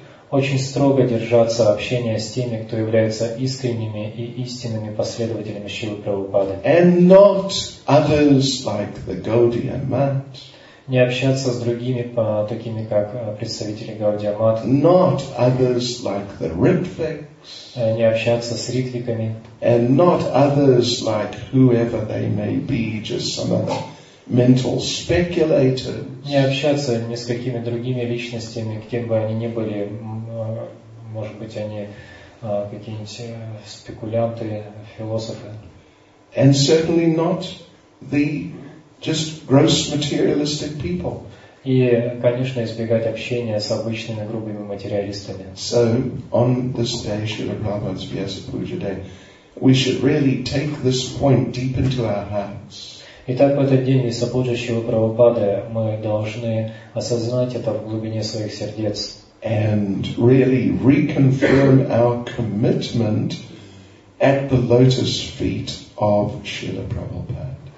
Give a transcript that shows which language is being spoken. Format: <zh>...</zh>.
<ru>Очень строго держаться общения с теми, кто является искренними и истинными последователями Шрилы Прабхупады.</ru> <en>And not others like the Gaudiya Mat.</en> <ru>Не общаться с другими, такими как представители Gaudiya Mat.</ru> <en>Not others like the Ritviks.</en> <ru>Не общаться с Ритвиками.</ru> <en>And not others like whoever they may be, just some of them. Mental speculators.</en> <ru>Не общаться ни с какими другими личностями, кем бы они ни были, может быть, они какие-нибудь спекулянты, философы.</ru> <en>And certainly not the just gross materialistic people.</en> <ru>И, конечно, избегать общения с обычными грубыми материалистами.</ru> <en>So on this day, Srila Prabhupada's Vyasa Puja Day, we should really take this point deep into our hearts.</en> <ru>Итак, в этот день Висапуджа Шрилы Прабхупады мы должны осознать это в глубине своих сердец.</ru> <en>and really reconfirm our commitment at the lotus feet of Srila Prabhupada.</en>